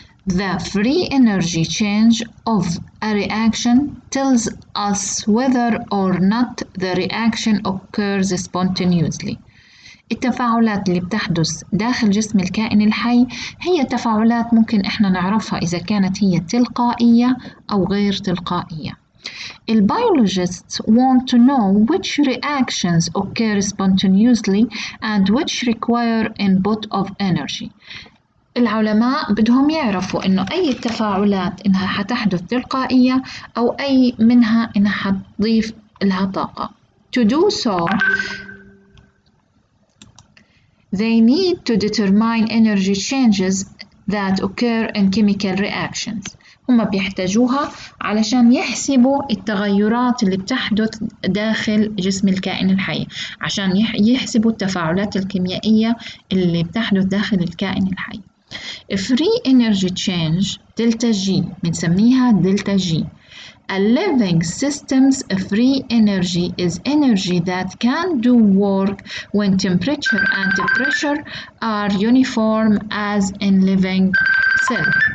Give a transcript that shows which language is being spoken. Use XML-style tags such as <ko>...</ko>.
<en>The free energy change of a reaction tells us whether or not the reaction occurs spontaneously.</en> <ar>التفاعلات اللي بتحدث داخل جسم الكائن الحي هي تفاعلات ممكن احنا نعرفها اذا كانت هي تلقائية او غير تلقائية.</ar> <en>البيولوجيستس want to know which reactions occur spontaneously and which require input of energy.</en> <ar>العلماء بدهم يعرفوا انه اي التفاعلات انها حتحدث تلقائية او اي منها انها حتضيف لها طاقة.</ar> <en>To do so they need to determine energy changes that occur in chemical reactions.</en> <ar>هم بيحتاجوها علشان يحسبوا التغيرات اللي بتحدث داخل جسم الكائن الحي، عشان يحسبوا التفاعلات الكيميائية اللي بتحدث داخل الكائن الحي.</ar> <en>Free energy change delta G</en> <ar>بنسميها</ar> <en>delta G. A living system's free energy is energy that can do work when temperature and pressure are uniform as in living cell.</en>